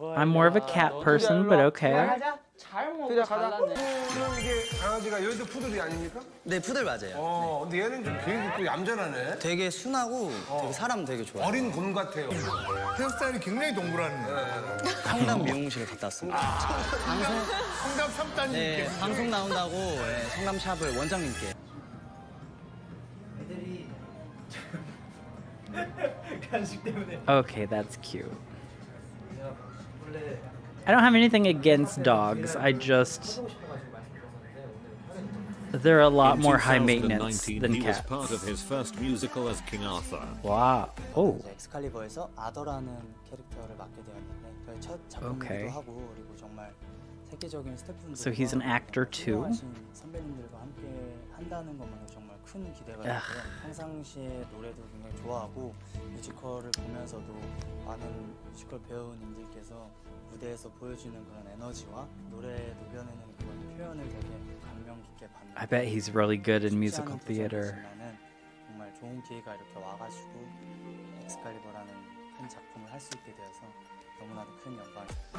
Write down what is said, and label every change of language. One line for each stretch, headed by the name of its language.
English: I'm more of a cat person, but okay.
Korean: 잘 먹고 잘랐네. 그럼 이게 강아지가 여기도 푸들이 아닙니까? 네, 푸들 맞아요. 근데 얘는 좀 굉장히 얌전하네. 되게 순하고 되게 사람 되게 좋아요. 어린 곰 같아요. 헤어스타일이 굉장히 동그란. 네. 상담 미용실에 갔다 왔습니다. 상담 3단님께. 네, 방송 나온다고 상담샵을 원장님께. 애들이
English: Okay, that's cute. I don't have anything against dogs. I just... They're a lot more high maintenance than cats. He was part of his first musical as King Arthur. Wow. Oh.
Korean: Excalibur에서 아더라는 캐릭터를 맡게 되었는데 저의 첫 작품이기도 하고 그리고 정말 세계적인 스태프분들.
English: So he's an actor too.
Korean: 선배님들과 함께 한다는 것만으로 정말 큰 기대가 있고요. 평상시에 노래도 굉장히 좋아하고 뮤지컬을 보면서도 많은 뮤지컬 배우님들께서 무대에서 보여주는 그런 에너지와 노래 녹여내는 그런 표현을 되게 감명 깊게 봤는데
English: I bet he's really good in musical theater.
Korean: 정말 좋은 기회가 이렇게 와가지고 엑스칼리버라는 큰 작품을 할 수 있게 되어서 너무나도 큰 영광이에요.